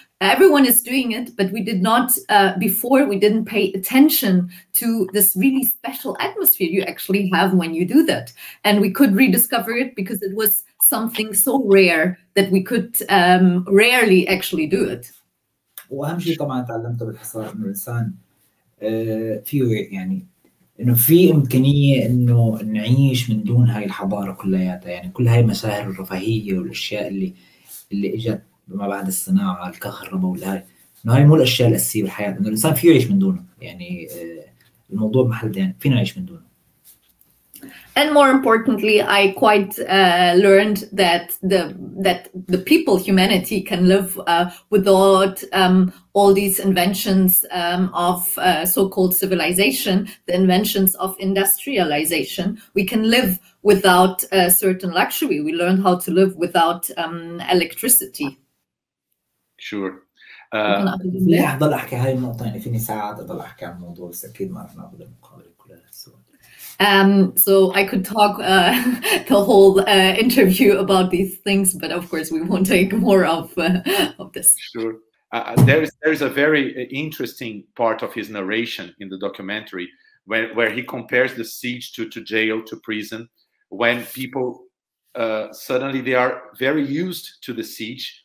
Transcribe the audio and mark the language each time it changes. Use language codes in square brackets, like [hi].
[en] Everyone is doing it, but we did not before. We didn't pay attention to this really special atmosphere you actually have when you do that. And we could rediscover it because it was something so rare that we could rarely actually do it. [ar] واهم شيء طبعا تعلمته بالحصار من الانسان theory, يعني انه في امكانيه انه نعيش من دون هاي الحضاره كلياتها, يعني كل هاي مساهر الرفاهيه والاشياء اللي اجت ما بعد الصناعة, الكهرباء والهاي, إنه هاي مو الأشياء الأساسية بالحياة, إنه الإنسان فيه يعيش من دونه, يعني الموضوع محل دين, فينا يعيش من دونه. [en] And more importantly, I quite learned that the people, humanity, can live without all these inventions of so-called civilization, the inventions of industrialization. We can live without a certain luxury. We learned how to live without electricity. Sure. [ar] ليه أضل أحكي هاي النقطة, يعني فيني ساعات أضل أحكي عن الموضوع, بس أكيد ما رح نأخذ المقابلة كلها. [en] So I could talk the whole interview about these things, but of course we won't take more of this. Sure. There is a very interesting part of his narration in the documentary where he compares the siege to jail, to prison, when people suddenly they are very used to the siege.